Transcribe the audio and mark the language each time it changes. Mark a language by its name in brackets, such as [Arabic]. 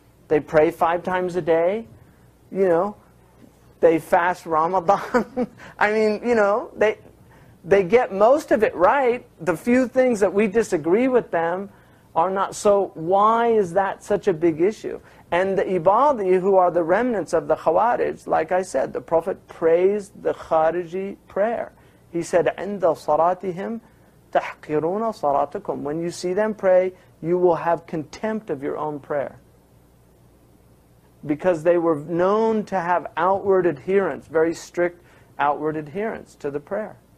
[English] They pray five times a day, you know. They fast Ramadan. I mean, you know, they get most of it right. The few things that we disagree with them are not. So why is that such a big issue? And the Ibadi, who are the remnants of the Khawarij, like I said, the Prophet praised the Khariji prayer. [Arabic] He said, عند صلاتهم تحقرون صلاتكم. [English] When you see them pray, you will have contempt of your own prayer. Because they were known to have outward adherence, very strict outward adherence to the prayer.